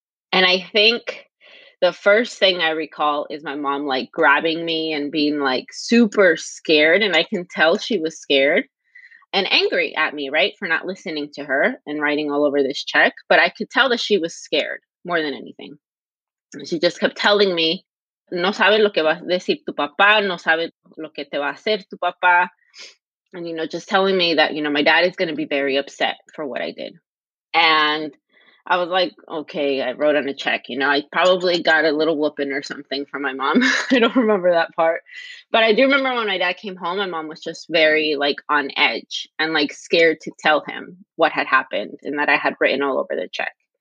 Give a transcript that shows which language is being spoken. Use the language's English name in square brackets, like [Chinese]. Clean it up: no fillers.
[English] And I think the first thing I recall is my mom like grabbing me and being like super scared. And I can tell she was scared and angry at me, right, for not listening to her and writing all over this check. But I could tell that she was scared more than anything. She just kept telling me, [Spanish] no sabe lo que va a decir tu papá, [English] no sabe lo que te va a hacer tu papá. And, you know, just telling me that, you know, my dad is going to be very upset for what I did. And I was like, okay, I wrote on a check. You know, I probably got a little whooping or something from my mom. I don't remember that part. But I do remember when my dad came home, my mom was just very like on edge and like scared to tell him what had happened and that I had written all over the check.